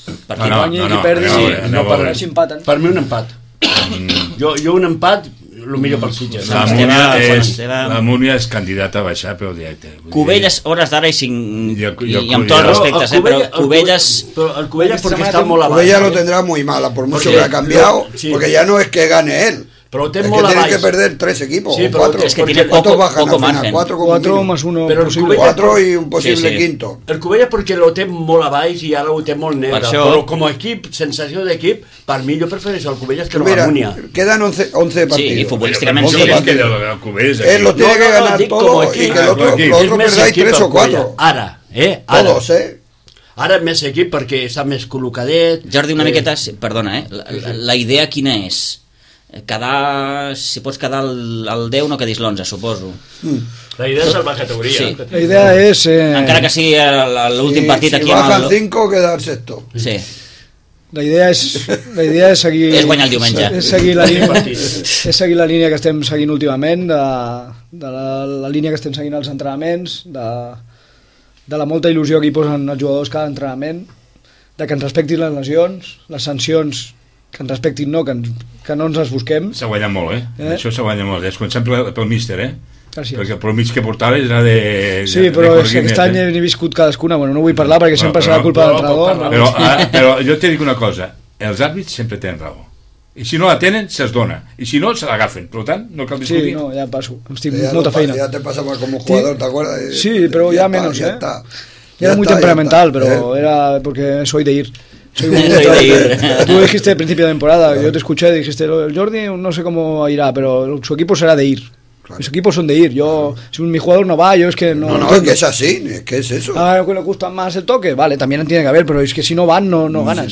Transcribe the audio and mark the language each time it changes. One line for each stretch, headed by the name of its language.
Catalan: Per qui guanyi, qui perdi, si no perdi, si empaten. Per mi un empat. Jo un empat... El millor per Sitges. La Múnia és candidata a baixar, però directe. Cubelles, hores d'ara, i amb tot el respecte, però Cubelles... Però el Cubelles, perquè està molt a baix.
Spanish: Cubelles lo tendrá muy mala, por mucho que ha cambiado, porque ya no es que gane él.
Catalan: Però ho té molt a baix.
Spanish: Es que tiene que perder 3 equipos, o 4. Es que tiene poco margen. 4 como 4 más 1 posible. 4 y un posible quinto.
Catalan: El Cubelles porque lo té molt a baix i ara ho té molt negre. Però com a equip, sensació d'equip, per mi jo prefereixo el Cubelles que no la Múnia.
Spanish: Quedan 11 partidos.
Catalan: Sí, i futbolísticament sí.
Spanish: Él lo tiene que ganar todo y que el otro perdáis 3 o 4.
Catalan: Ara, ¿eh?
Spanish: Todos, ¿eh?
Catalan: Ara més equip perquè està més col·locadet. Jordi, una miqueta, perdona, ¿eh? La idea quina és? Quedar, si pots quedar el 10, no quedis l'11, suposo. La idea és salvar categoria. Sí. La idea és... Encara que sigui l'últim partit si aquí...
Spanish: Si baja el 5, quedar el 6.
Catalan: Sí. La idea és seguir... És guanyar el diumenge. És seguir la línia, és seguir la línia que estem seguint últimament, de la línia que estem seguint als entrenaments, de la molta il·lusió que hi posen els jugadors cada entrenament, de que ens respectin les lesions, les sancions... Que ens respectin, no, que no ens les busquem. S'ha guanyat molt, eh? Això s'ha guanyat molt. És com sempre pel míster, eh? Gràcies. Perquè pel mig que portava era de... Sí, però aquest any n'he viscut cadascuna. Bueno, no vull parlar perquè sempre serà culpa del entrenador. Però jo et dic una cosa. Els àrbits sempre tenen raó. I si no la tenen, se'ls dona. I si no, se l'agafen. Per tant, no cal discutir. Sí, no, ja passo. Em estic molta feina. Ja te passava com un jugador, t'acordes? Sí, però ja menys, eh? Ja està.
Spanish: Ja era muy temperamental, pero era porque soy de ir. Tú dijiste al principio de temporada, yo te escuché, dijiste, el Jordi no sé cómo irá, pero su equipo será de ir. Mis equipos son de ir. Yo, si mi jugador no va, yo es que no. No, no, es que es así, es que es eso. A lo que le gusta más el toque, vale, también tiene que haber, pero es que si no van, no ganas.